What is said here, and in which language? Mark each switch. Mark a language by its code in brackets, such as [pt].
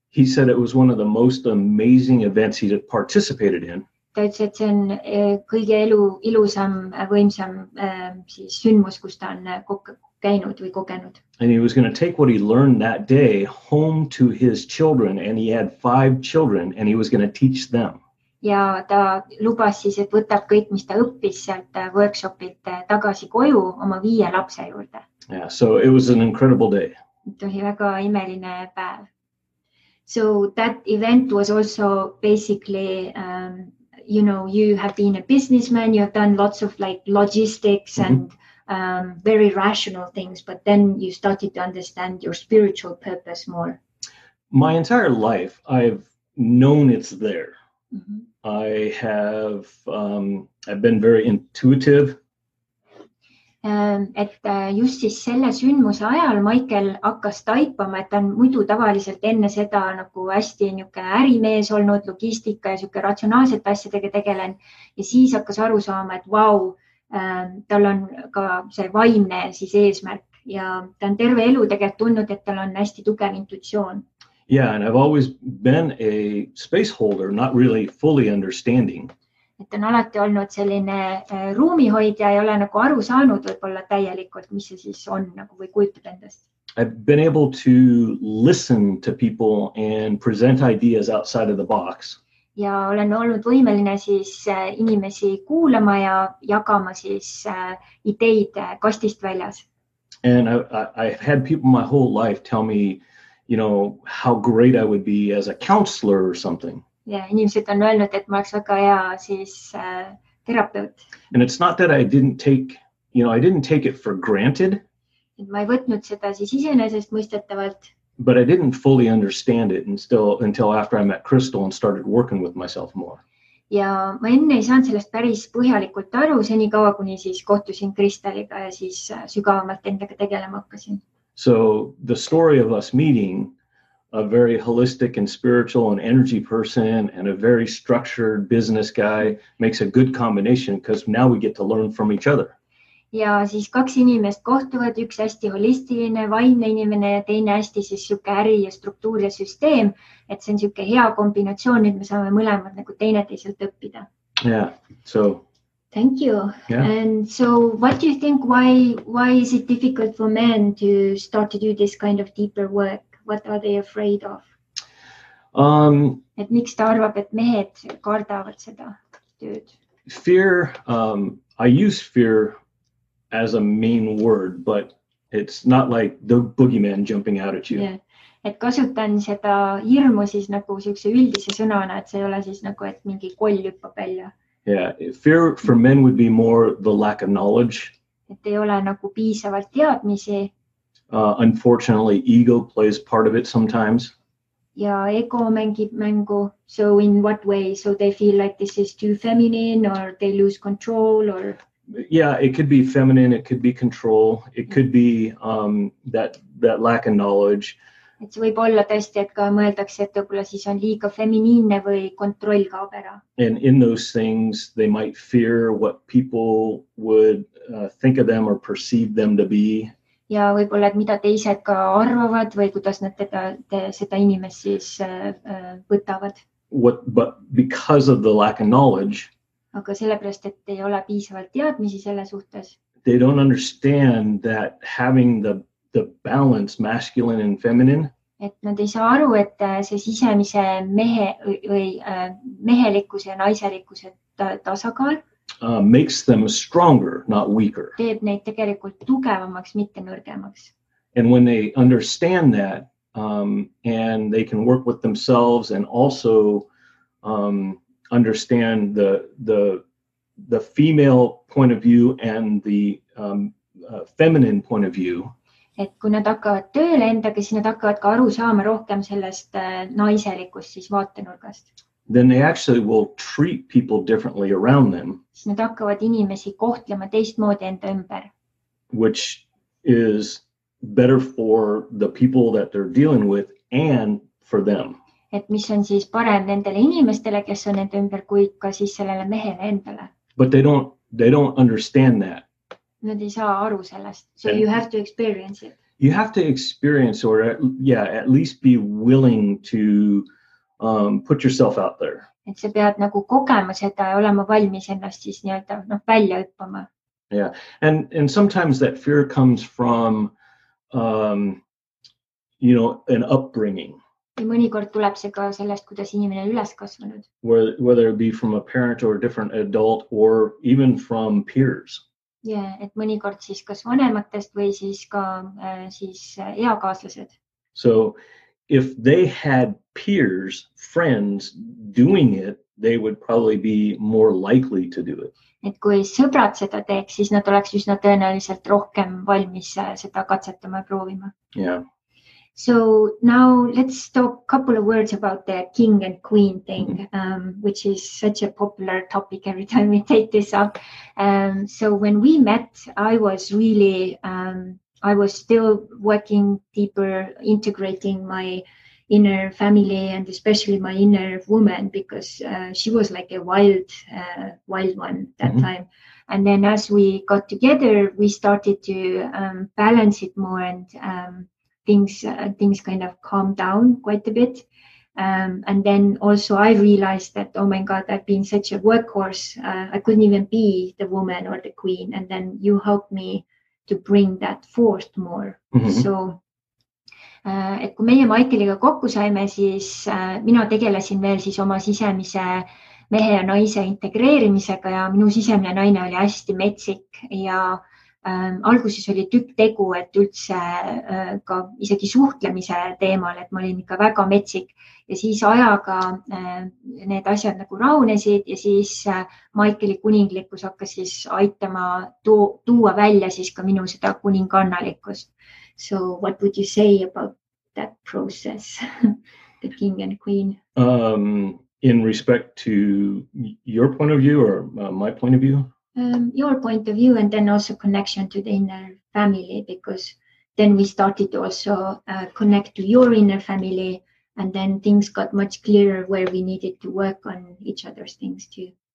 [en] he said it was one of the most amazing events he had participated in. [et] Ta ütles, et see on kõige elu ilusam, võimsam siis sündmus, kus ta on käinud või kogenud. [en] And he was going to take what he learned that day home to his children, and he had 5 children, and he was going to teach them. [et] Ja ta lubas siis, et võtab kõik, mis ta õppis sealt workshopilt tagasi koju oma 5 lapse juurde. [en] Yeah, so it was an incredible day. [et] Tuli väga imeline päev. [en] So that event was also basically, you know, you have been a businessman, you have done lots of like logistics mm-hmm. and very rational things, but then you started to understand your spiritual purpose more. My entire life, I've known it's there. Mm-hmm. I have, I've been very intuitive. [et] Just siis selle sündmuse ajal Michael hakkas taipama, et ta on muidu tavaliselt enne seda nagu hästi niuke ärimees olnud, logistika ja siuke ratsionaalset asjadega tegelen. Ja siis hakkas aru saama, et vau, tal on ka see vaimne siis eesmärk ja ta on terve elu tegelikult tunnud, et tal on hästi tugev intuitsioon. [en] Yeah, and I've always been a space holder, not really fully understanding. [et] Et on alati olnud selline ruumihoidja, ei ole nagu aru saanud võib-olla täielikult, mis see siis on nagu või kujutab endast. [en] I've been able to listen to people and present ideas outside of the box. [et] Ja olen olnud võimeline siis inimesi kuulama ja jagama siis ideid kastist väljas. [en] And I've had people my whole life tell me, you know, how great I would be as a counselor or something. [et] Ja inimesed on öelnud, et ma oleks väga hea siis terapeut. [en] And it's not that I didn't take, you know, I didn't take it for granted. [et] Et ma ei võtnud seda siis isenesest mõistetavalt. [en] But I didn't fully understand it until after I met Crystal and started working with myself more. [et] Ja ma enne ei saanud sellest päris põhjalikult aru, seni kaua kuni siis kohtusin Kristaliga ja siis sügavamalt endaga tegelema hakkasin. [en] So the story of us meeting, a very holistic and spiritual and energy person and a very structured business guy, makes a good combination because now we get to learn from each other. [et] Ja siis kaks inimest kohtuvad, üks hästi holistiline, vaimne inimene ja teine hästi siis siuke äri ja struktuur ja süsteem, et see on siuke hea kombinatsioon, nüüd me saame mõlemad nagu teine teiselt õppida. [en] Yeah, so. Thank you. Yeah. And so what do you think, why is it difficult for men to start to do this kind of deeper work? What are they afraid of? [et] Et miks ta arvab, et mehed kardavad seda tööd? [en] Fear, I use fear as a main word, but it's not like the boogeyman jumping out at you. Yeah. [et] Et kasutan seda hirmu siis nagu siukse üldise sõnana, et see ei ole siis nagu, et mingi koll hüppab välja. [en] Yeah, fear for men would be more the lack of knowledge. [et] Et ei ole nagu piisavalt teadmisi. [en] Unfortunately, ego plays part of it sometimes. [et] Ja ego mängib mängu. [en] So in what way? So they feel like this is too feminine or they lose control or... Yeah, it could be feminine, it could be control, it could be that lack of knowledge. [et] Et see võib olla tõesti, et ka mõeldakse, et võibolla siis on liiga feminiine või kontroll kaab ära. [en] And in those things, they might fear what people would think of them or perceive them to be. [et] ja võib-olla, et mida teised ka arvavad või kuidas nad seda inimest siis võtavad. [en] But because of the lack of knowledge, [et] aga sellepärast, et ei ole piisavalt teadmisi selle suhtes, [en] they don't understand that having the balance masculine and feminine, [et] et nad ei saa aru, et see sisemise mehe või mehelikkus ja naiselikkus tasakaal [en] makes them stronger, not weaker. [et] Teeb neid tegelikult tugevamaks, mitte nõrgemaks. [en] And when they understand that and they can work with themselves and also understand the female point of view and the feminine point of view, [et] et kui nad hakkavad tööle endaga, siis nad hakkavad ka aru saama rohkem sellest naiselikust siis vaatenurgast. [en] Then they actually will treat people differently around them. [et] Siis nad hakkavad inimesi kohtlema teistmoodi enda ümber. [en] Which is better for the people that they're dealing with and for them. [et] Et mis on siis parem nendele inimestele, kes on enda ümber, kui ka siis sellele mehele endale. [en] But they don't understand that. [et] Nad ei saa aru sellest. [en] So you have to experience it. You have to experience or at least be willing to put yourself out there. [et] Et sa pead nagu kogema seda ja olema valmis ennast siis nii-öelda välja õppama. [en] Yeah, and sometimes that fear comes from, an upbringing. [et] Ja mõnikord tuleb see ka sellest, kuidas inimene üles kasvanud. [en] Whether it be from a parent or a different adult or even from peers. [et] Ja, et mõnikord siis kas vanematest või siis ka siis eakaaslased. [en] So if they had peers, friends doing it, they would probably be more likely to do it. [et] Et kui sõbrad seda teeks, siis nad oleks üsna tõenäoliselt rohkem valmis seda katsetama ja proovima. [en] Yeah. So now let's talk a couple of words about the king and queen thing, which is such a popular topic every time we take this up. So when we met, I was really, I was still working deeper, integrating my inner family and especially my inner woman, because she was like a wild one at that time. And then as we got together, we started to balance it more and things kind of calm down quite a bit. And then also I realized that, oh my God, I've been such a workhorse. I couldn't even be the woman or the queen. And then you helped me to bring that forth more. [et] So, et kui meie Maikeliga kokku saime, siis mina tegelesin veel siis oma sisemise mehe ja naise integreerimisega ja minu sisemine naine oli hästi metsik ja alguses oli tükk tegu, et üldse ka isegi suhtlemise teemal, et ma olin ikka väga metsik ja siis ajaga need asjad nagu raunesid ja siis Maikeli kuninglikus hakkas siis aitama tuua välja siis ka minu seda kuningannalikust. [en] So what would you say about that process, the king and queen? In respect to your point of view or my point of view? Your point of view and then also connection to the inner family, because then we started to also connect to your inner family and then things got much clearer where we needed to work on each other's things too.